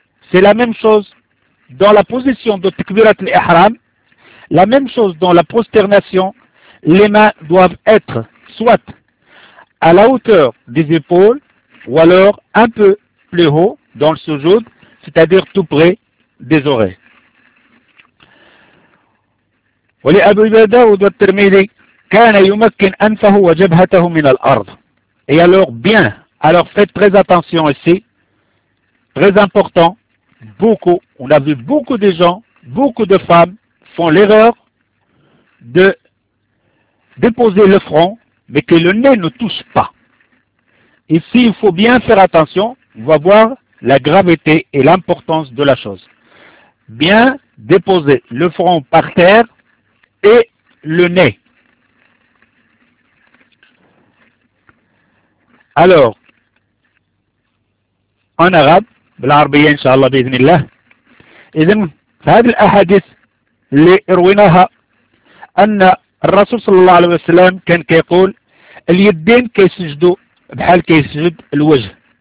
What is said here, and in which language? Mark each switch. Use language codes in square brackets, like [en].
[fr] C'est la même chose dans la position de Takbirat al-Ihram, la même chose dans la prosternation. Les mains doivent être soit à la hauteur des épaules ou alors un peu plus haut dans le sujoud, c'est-à-dire tout près des oreilles. [ar] ولأبي داود والترمذي كان يمكن أنفه وجبهته من الأرض. [fr] Et alors bien, alors faites très attention ici, très important, beaucoup, on a vu beaucoup de gens, beaucoup de femmes font l'erreur de déposer le front, mais que le nez ne touche pas. Ici, il faut bien faire attention, on va voir la gravité et l'importance de la chose. Bien déposer le front par terre, et le nez. Alors, en arabe, [ar] بالعربية إن شاء الله بإذن الله. إذن هذه الأحاديث اللي رويناها أن الرسول صلى الله عليه وسلم كان كيقول اليدين كيسجدوا بحال كيسجد الوجه.